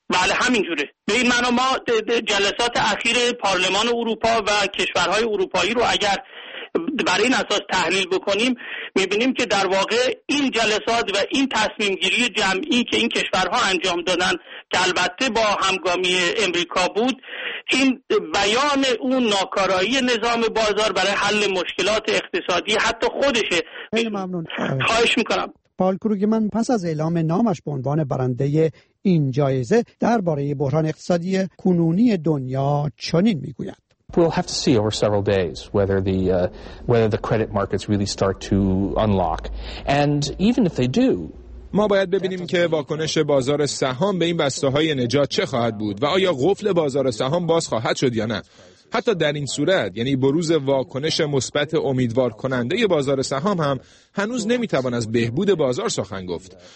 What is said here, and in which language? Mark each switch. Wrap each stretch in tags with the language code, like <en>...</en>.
<fa>بله همینجوره، به این معنی ما جلسات اخیر پارلمان اروپا و کشورهای اروپایی رو اگر بر این اساس تحلیل بکنیم، میبینیم که در واقع این جلسات و این تصمیم گیری جمعی که این کشورها انجام دادن که البته با همگامی امریکا بود، این بیان اون ناکارایی نظام بازار برای حل مشکلات اقتصادی حتی خودشه. خیلی ممنون، خواهش میکنم. پال کروگمن پس از اعلام نامش به عنوان برنده این جایزه درباره بحران اقتصادی کنونی دنیا چنین میگوید:</fa> <en>We'll have to see over several days whether the credit markets really start to unlock. And even if they do,</en> <fa>ما باید ببینیم که واکنش بازار سهام به این بسته‌های نجات چه خواهد بود و آیا قفل بازار سهام باز خواهد شد یا نه. حتی در این صورت، یعنی بروز واکنش مثبت امیدوار کننده بازار سهام، هم هنوز نمیتوان از بهبود بازار سخن گفت.</fa>